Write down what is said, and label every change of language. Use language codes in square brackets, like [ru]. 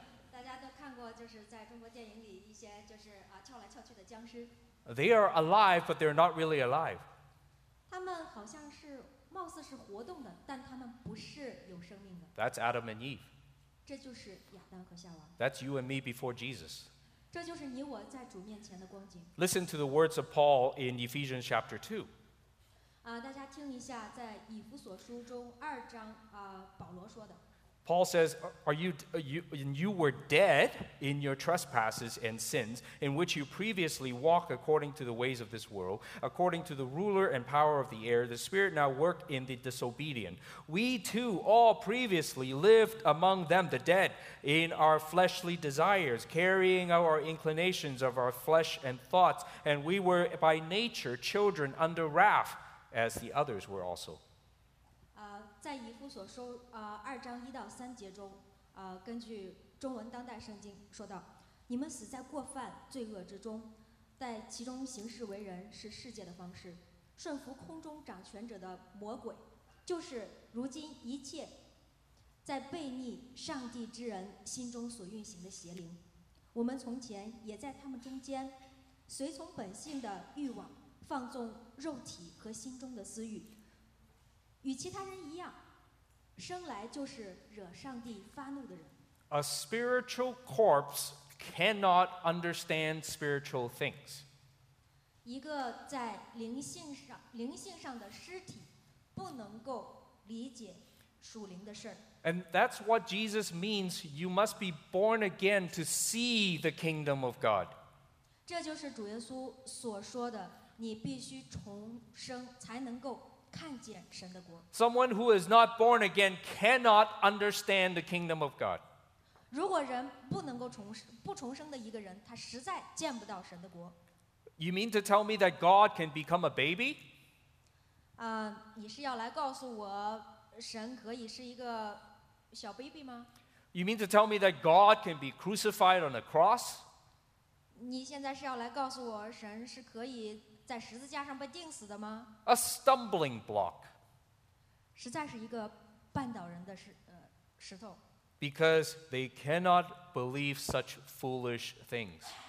[zh] 大家都看过，就是在中国电影里一些就是跳来跳去的僵尸。 [en] They are alive, but they're not really alive. [zh] 他们好像是。貌似是活动的，但他们不是有生命的。 [en] That's Adam and Eve. [zh] 这就是亚当和夏娃。 [en] That's you and me before Jesus. [zh] 这就是你我在主面前的光景。 [en] Listen to the words of Paul in Ephesians chapter 2. [zh] 大家听一下，在以弗所书中二章保罗说的。 [en] Paul says, you were dead in your trespasses and sins in which you previously walked according to the ways of this world, according to the ruler and power of the air, the spirit now work in the disobedient. We too all previously lived among them, the dead, in our fleshly desires, carrying out our inclinations of our flesh and thoughts, and we were by nature children under wrath, as the others were also. [zh] 在以弗所书二章一到三节中，根据中文当代圣经说道：你们死在过犯罪恶之中，在其中行事为人是世界的方式，顺服空中掌权者的魔鬼，就是如今一切在悖逆上帝之人心中所运行的邪灵。我们从前也在他们中间，随从本性的欲望，放纵肉体和心中的私欲。与其他人一样，生来就是惹上帝发怒的人。 [en] A spiritual corpse cannot understand spiritual things. [zh] 一个在灵性上的尸体不能够理解属灵的事。 [en] And that's what Jesus means. You must be born again to see the kingdom of God. [zh] 这就是主耶稣所说的，你必须重生才能够看见神的国。 [en] Someone who is not born again cannot understand the kingdom of God. [zh] 如果人不能够重生的一个人，他实在见不到神的国。 [en] You mean to tell me that God can become a baby? [zh] 你是要来告诉我神可以是一个小 baby 吗？ [en] You mean to tell me that God can be crucified on a cross? [zh] 你现在是要来告诉我神是可以在十字架上被钉死的吗？ [en] A stumbling block. [zh] 实在是一个绊倒人的石头。 [en] Because they cannot believe such foolish things.